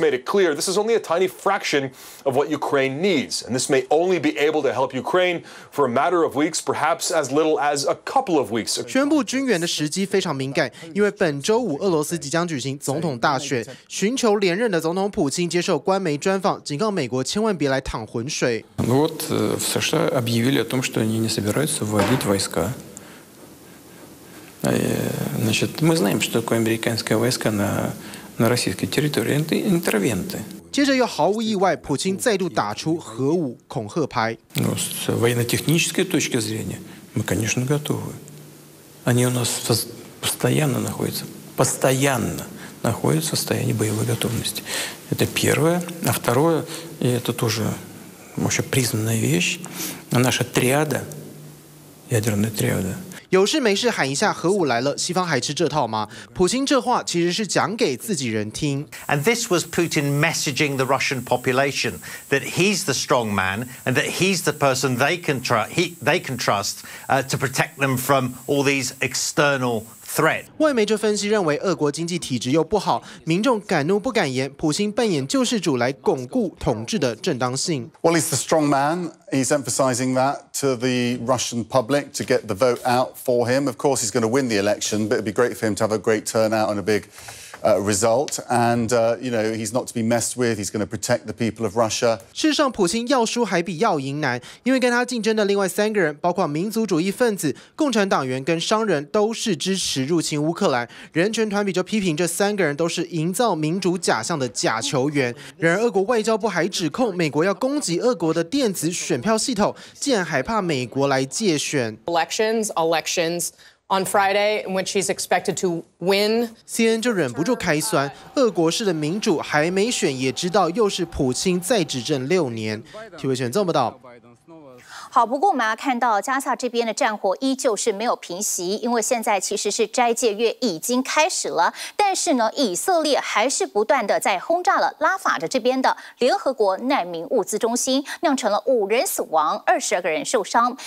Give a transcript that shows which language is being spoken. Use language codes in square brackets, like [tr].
[en] made it clear this is only a tiny fraction of what Ukraine needs, and this may only be able to help Ukraine for a matter of weeks. Perhaps as little as a couple of weeks. [zh] 宣布军援的时机非常敏感，因为本周五俄罗斯即将举行总统大选。寻求连任的总统普京接受官媒专访，警告美国千万别来趟浑水。 [ru] Вот в США объявили о том, что они не собираются вводить войска. Значит, мы знаем, что такое американские войска на российской территории. Это интервенты. [zh] 接着又毫无意外，普京再度打出核武恐吓牌。 [ru] Но с военно-технической точки зрения мы, конечно, готовы. Они у нас постоянно находятся в состоянии боевой готовности. Это первое. А второе, и это тоже вообще признанная вещь, наша триада, ядерная триада. [zh] 有事没事喊一下核武来了，西方还吃这套吗？普京这话其实是讲给自己人听。 [en] And this was Putin messaging the Russian population that he's the strong man and that he's the person they can trust to protect them from all these external threat. [zh] 外媒就分析认为，俄国经济体制又不好，民众敢怒不敢言，普京扮演救世主来巩固统治的正当性。 [en] Well, he's the strong man. He's emphasizing that to the Russian public to get the vote out for him. Of course, he's going to win the election, but it'd be great for him to have a great turnout and a big result. And you know, he's not to be messed with. He's going to protect the people of Russia. [zh] 事实上，普京要输还比要赢难，因为跟他竞争的另外三个人，包括民族主义分子、共产党员跟商人，都是支持入侵乌克兰。人权团体就批评这三个人都是营造民主假象的假球员。然而，俄国外交部还指控美国要攻击俄国的电子选票系统，竟然还怕美国来借选。 [en] Elections. On Friday, in which he's expected to win. [zh] CNN 就忍不住开酸，俄国式的民主还没选，也知道又是普京再执政六年。体委选这么到。好，不过我们要看到加萨这边的战火依旧是没有平息，因为现在其实是斋戒月已经开始了，但是呢，以色列还是不断的在轰炸了拉法的这边的联合国难民物资中心，酿成了5人死亡，22个人受伤。